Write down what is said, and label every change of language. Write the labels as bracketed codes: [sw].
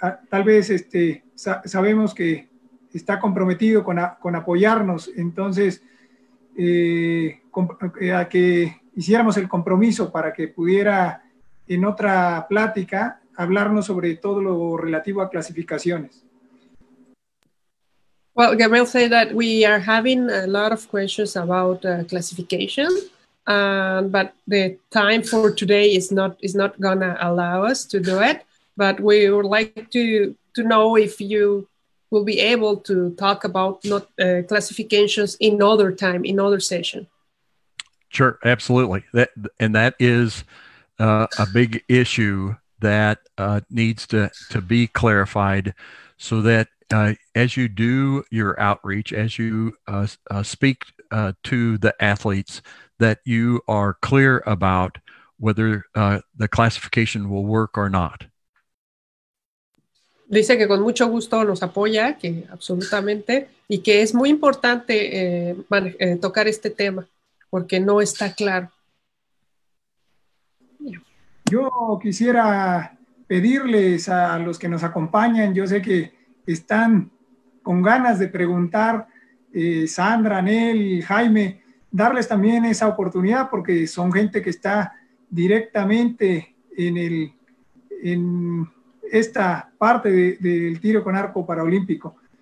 [es] Tal vez sabemos que está comprometido con apoyarnos, entonces a que hiciéramos el compromiso para que pudiera en otra plática hablarnos sobre todo lo relativo a clasificaciones. [en] Well, Gabriel said that we are having a lot of questions about classification, but the time for today is not going to allow us to do it. But we would like to know if you will be able to talk about classifications in other time, in other session. Sure, absolutely. That is a big issue that needs to be clarified, so that as you do your outreach, as you speak to the athletes, that you are clear about whether the classification will work or not. [es] Dice que con mucho gusto nos apoya, que absolutamente, y que es muy importante tocar este tema, porque no está claro. Yo quisiera pedirles a los que nos acompañan, yo sé que están con ganas de preguntar, Sandra, Nel, Jaime, darles también esa oportunidad, porque son gente que está directamente en esta parte del tiro con arco paraolímpico.